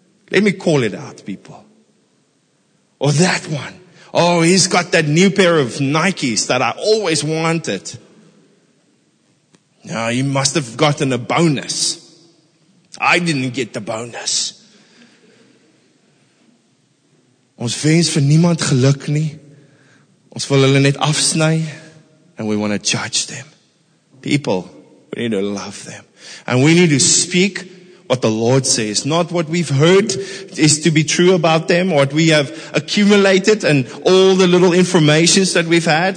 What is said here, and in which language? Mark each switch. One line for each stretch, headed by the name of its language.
English: Let me call it out, people. Or that one. Oh, he's got that new pair of Nikes that I always wanted. Now, he must have gotten a bonus. I didn't get the bonus.
Afrikaans: Ons wens vir niemand geluk nie. Ons wil hulle net afsny.
English: And we want to judge them. People, we need to love them. And we need to speak what the Lord says, not what we've heard is to be true about them, what we have accumulated and all the little informations that we've had.